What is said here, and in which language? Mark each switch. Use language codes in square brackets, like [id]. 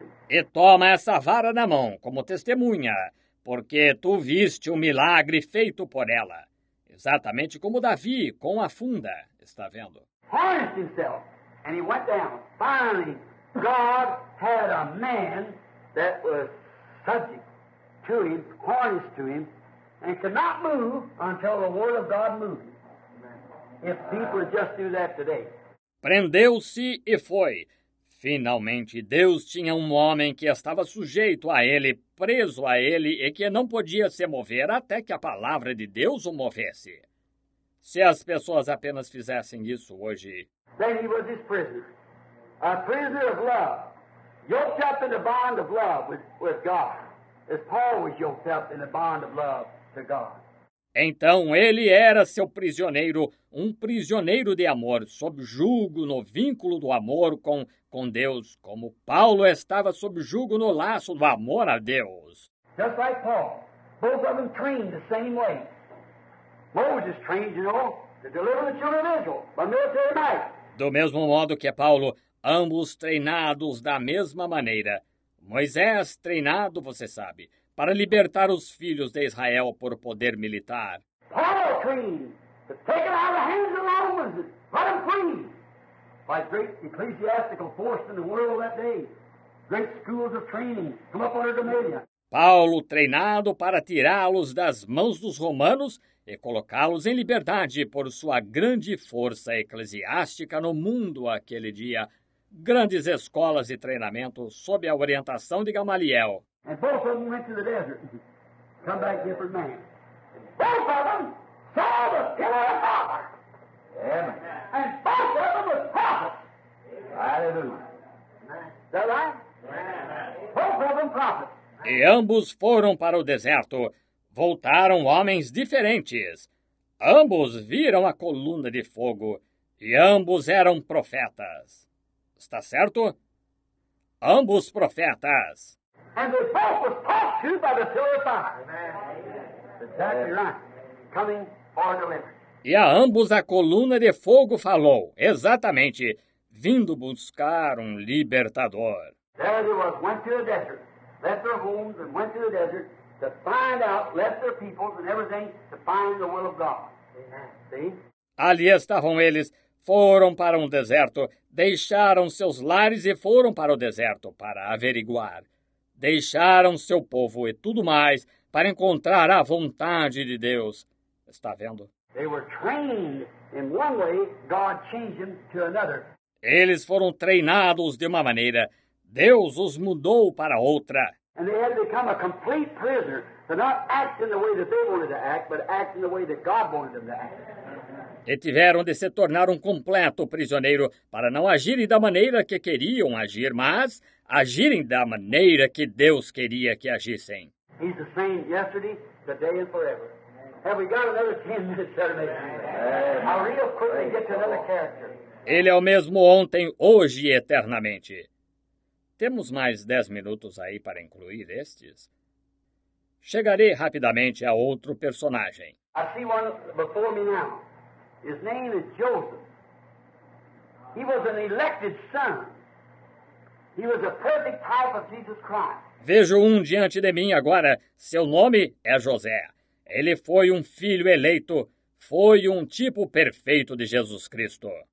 [pt] E toma essa vara na mão como testemunha, porque tu viste o milagre feito por ela. Exatamente como Davi com a funda, está vendo? [en] Harnessed himself, and he went down. Finally, God had a man that was subject to him, harnessed to him, and could not move until the word of God moved. If people just do that today. [pt] Prendeu-se e foi. Finalmente, Deus tinha um homem que estava sujeito a ele, preso a ele, e que não podia se mover até que a palavra de Deus o movesse. Se as pessoas apenas fizessem isso hoje... [en] Then he was his prisoner. A prisoner of love. Yoked up in the bond of love with God. As Paul was yoked up in the bond of love to God. [pt] Então ele era seu prisioneiro, um prisioneiro de amor, sob jugo no vínculo do amor com Deus, como Paulo estava sob jugo no laço do amor a Deus. [en] Just like Paul, both of them trained the same way. Moses trained, you know, to deliver the children of Israel by military might. [pt] Do mesmo modo que Paulo, ambos treinados da mesma maneira. Moisés treinado, você sabe, para libertar os filhos de Israel por poder militar. [en] Paul trained to take it out of the hands of Romans and run them free. By great ecclesiastical force in the world that day. Great schools of training come up under dominion. [pt] Paulo treinado para tirá-los das mãos dos romanos e colocá-los em liberdade por sua grande força eclesiástica no mundo aquele dia. Grandes escolas e treinamento sob a orientação de Gamaliel. [en] And both of them went to the desert. Come back different man. Both of them saw the pillar of fire. Amen. And both of them were prophets. Hallelujah. Is that right? Amen. Both of them prophets. [pt] E ambos foram para o deserto. Voltaram homens diferentes. Ambos viram a coluna de fogo. E ambos eram profetas. Está certo? Ambos profetas. [en] And they both were talked to by the pillar of fire. Exactly right. Coming for deliverance. [pt] E a ambos a coluna de fogo falou. Exatamente. Vindo buscar um libertador. [en] There they was, went to the desert. Left their homes and went to the desert to find out, left their peoples and everything to find the will of God. Amen. See? [pt] Ali estavam eles. Foram para um deserto, deixaram seus lares e foram para o deserto para averiguar. Deixaram seu povo e tudo mais para encontrar a vontade de Deus. Está vendo? [en] They were trained in one way, God changed them to another. [pt] Eles foram treinados de uma maneira. Deus os mudou para outra. [en] And they had become a complete prisoner to not act in the way that they wanted to act, but act in the way that God wanted them to act. [pt] E tiveram de se tornar um completo prisioneiro para não agirem da maneira que queriam agir, mas agirem da maneira que Deus queria que agissem. [en] He's the same yesterday, today and forever. Have we got another 10 minutes, gentlemen? I'll real quickly get to another character. [pt] Ele é o mesmo ontem, hoje e eternamente. Temos mais 10 minutos aí para incluir estes? Chegarei rapidamente a outro personagem. [en] I see one before me now. His name is Joseph. He was an elected son. He was a perfect type of Jesus Christ. [pt] Vejo diante de mim agora. Seu nome é José. Ele foi filho eleito. Foi tipo perfeito de Jesus Cristo.